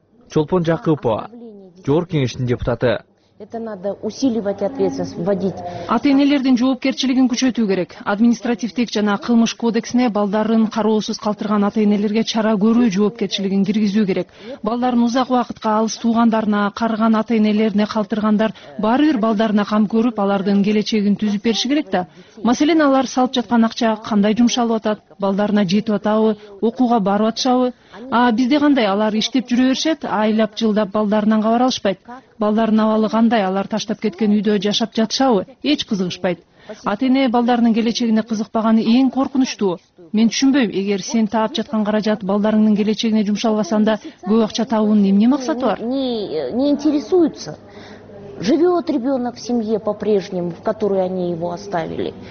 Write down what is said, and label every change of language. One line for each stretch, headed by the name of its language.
Kyrgyz: Чолпон Жакыпова Жогорку Кеңештин депутаты.
Russian: Это надо усиливать ответственность, вводить.
Kyrgyz: Ата энелердин жоопкерчилигин күчөтүү керек. Административдик жана кылмыш кодексине балдарын кароосуз калтырган ата энелерге чара көрүү жоопкерчилигин киргизүү керек. Балдарын узак убакытка алыс туугандарына, карыган ата энелерине калтыргандар баары бир балдарына кам көрүп, алардын келечегин түзүп бериши керек да. Маселен, алар салып жаткан акча кандай жумшалып атат, балдарына жетип атабы, окууга барып атышабы? А бизде кандай? Алар иштеп жүрө беришет, айлап жылдап балдарынан кабар алышпайт. Балдардын абалы кандай? Алар таштап кеткен үйдө жашап жатышабы? Эч кызыгышпайт. Ата эне балдарынын келечегине кызыкпаганы эң коркунучтуу. Мен түшүнбөйм, эгер сен таап жаткан каражат балдарыңдын келечегине жумшалбасаң да көп акча табуунун эмне максаты бар?
Russian: Не интересуются. Живет ребенок в семье по-прежнему, в которой они его оставили?